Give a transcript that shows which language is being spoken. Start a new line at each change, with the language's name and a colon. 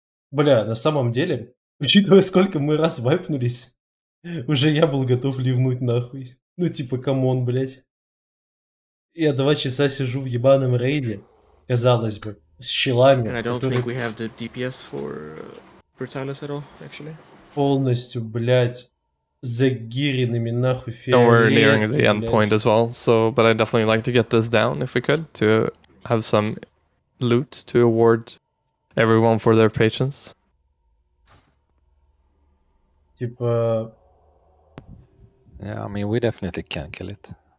Russian: Бля, на самом деле, учитывая сколько мы раз вайпнулись, уже я был готов ливнуть нахуй. Ну типа, камон, блять. Я 2 часа сижу в ебаном рейде, казалось бы. С щелами.
English: And I don't think we have the DPS for Brutalis at all, actually.
Russian: Полностью, блядь, загиренными нахуй фиолетами.
English: And we're nearing the end point as well, so, but I'd definitely like to get this down if we could, to have some loot to award everyone for their patience.
Russian: Типа,
English: Yeah, I mean, we definitely can kill it.